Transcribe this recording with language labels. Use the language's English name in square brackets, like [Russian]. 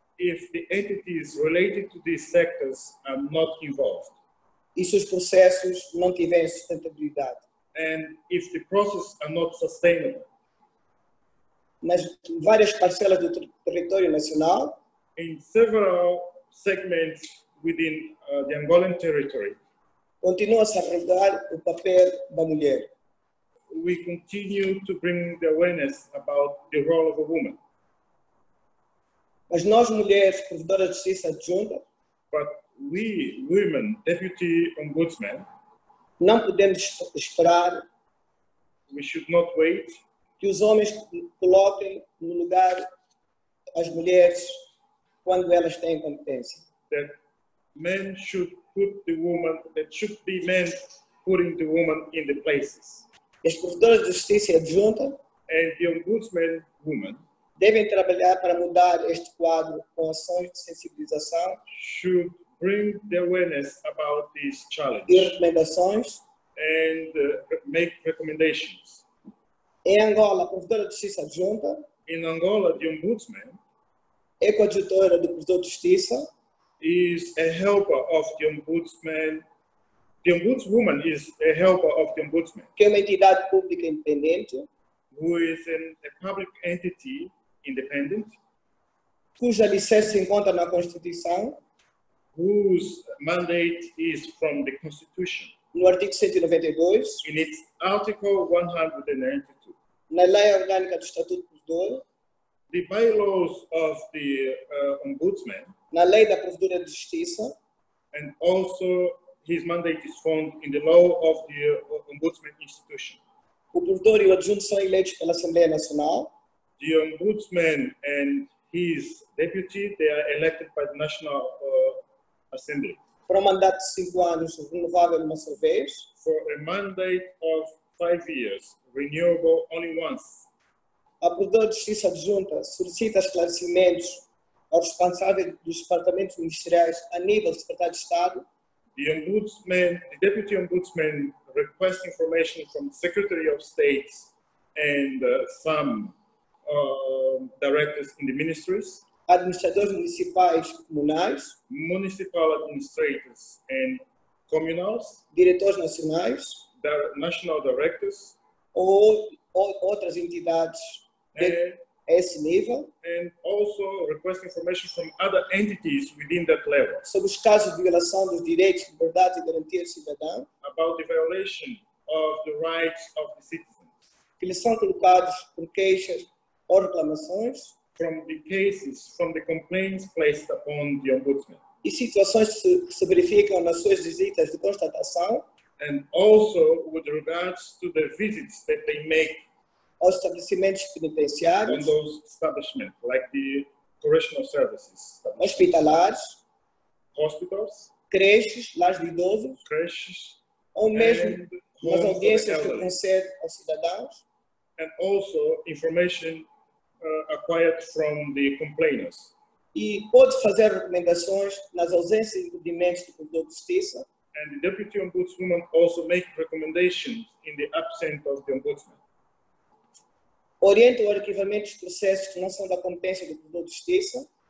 [English] If the entities related to these sectors are not involved. [Portuguese] E se os processos não tiverem sustentabilidade. [English] And if the processes are not sustainable. [Portuguese] Nas várias parcelas do território nacional. [English] In several segments within the Angolan territory. [Portuguese] Continua-se a revelar o papel da mulher. [English] We continue to bring the awareness about the role of a woman. [Portuguese] Mas nós mulheres, provedoras de justiça adjunta. [English] But we women, deputy ombudsman. [Portuguese] Não podemos esperar. [English] We should not wait. [Portuguese] Que os homens coloquem no lugar as mulheres quando elas têm competência. [English] That men should put the woman, that should be men putting the woman in the places. [Portuguese] As provedoras de justiça adjunta [English] and the ombudsman woman [Portuguese] devem trabalhar para mudar este quadro com ações de sensibilização. [English] Should bring the awareness about this challenge. [Portuguese] E recomendações. [English] And make recommendations. [Portuguese] Em Angola, provedora de justiça adjunta. [English] In Angola, the ombudsman. [Portuguese] É coadjutora do provedor de justiça. [English] Is a helper of the ombudsman. The ombudswoman is a helper of the ombudsman. [Portuguese] Que é uma entidade pública independente. [English] Who is a public entity independent. [Portuguese] Cuja licença se encontra na Constituição. [English] Whose mandate is from the Constitution. [Portuguese] No artigo 192. [English] In its article 192. [Portuguese] Na lei orgânica do Estatuto do Provedor. [English] The bylaws of the ombudsman. [Portuguese] Na lei da provedora de justiça. [English] And also his mandate is found in the law of the ombudsman institution. [Portuguese] O provedor e o adjunto são eleitos pela Assembleia Nacional. [English] The ombudsman and his deputy, they are elected by the National Assembly. [Portuguese] Para um mandato de 5 anos, renovável uma só vez. [English] For a mandate of 5 years, renewable only once. [Portuguese] A provedora de justiça adjunta solicita esclarecimentos ao responsável dos departamentos ministeriais a nível do Secretário de Estado. [English] The ombudsman, the deputy ombudsman requests information from the Secretary of State and some directors in the ministries. [Portuguese] Administradores municipais e comunais. [English] Municipal administrators and communals. [Portuguese] Diretores nacionais. [English] National directors. [Portuguese] Ou outras entidades a esse nível. [English] And also request information from other entities within that level. [Portuguese] Sobre os casos de violação dos direitos, liberdade e garantia do cidadão. [English] About the violation of the rights of the citizens. [Portuguese] Que lhes são colocados por queixas ou reclamações. [English] From the cases, from the complaints placed upon the ombudsman. [Portuguese] E situações que se verificam nas suas visitas de constatação. [English] And also with regards to the visits that they make. [Portuguese] Aos estabelecimentos penitenciários. [English] On those establishments, like the correctional services. [Portuguese] Hospitalares. [English] Hospitals. [Portuguese] Creches, lares de idosos. [English] Creches. [Portuguese] Ou mesmo nas audiências que concede aos cidadãos. [English] And also information acquired from the complainers. [Portuguese] E pode fazer recomendações nas ausências e impedimentos do provedor de justiça. [English] And the deputy ombudswoman also make recommendations in the absence of the ombudsman. [Portuguese] Orienta o arquivamento dos processos que não são da competência do provedor de justiça.